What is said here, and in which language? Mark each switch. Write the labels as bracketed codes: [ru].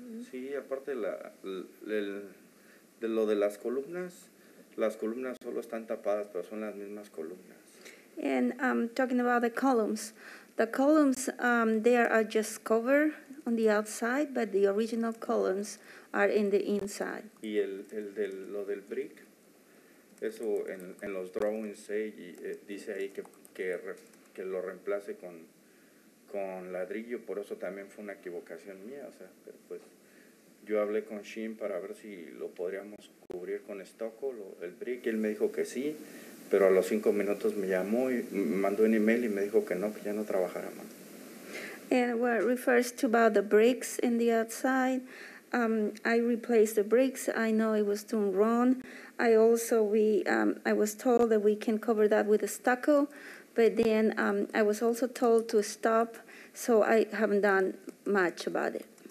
[es] Sí, aparte de lo de las columnas solo están tapadas, pero son las mismas columnas. [en] And talking about the columns. The columns, they are just cover on the outside, but the original columns are in the inside. [es] Y el del, lo del brick, eso en los drawings dice ahí que lo reemplace con ladrillo, por eso también fue una equivocación mía, o sea, pero pues yo hablé con Shin para ver si lo podríamos cubrir con estoco, el brick, y él me dijo que sí, pero a los cinco minutos me llamó y mandó un email y me dijo que no, que ya no trabajara más. [en] And what refers to about the bricks in the outside, I replaced the bricks, I know it was done wrong. I also, I was told that we can cover that with a stucco, but then I was also told to stop, so I haven't done much about it.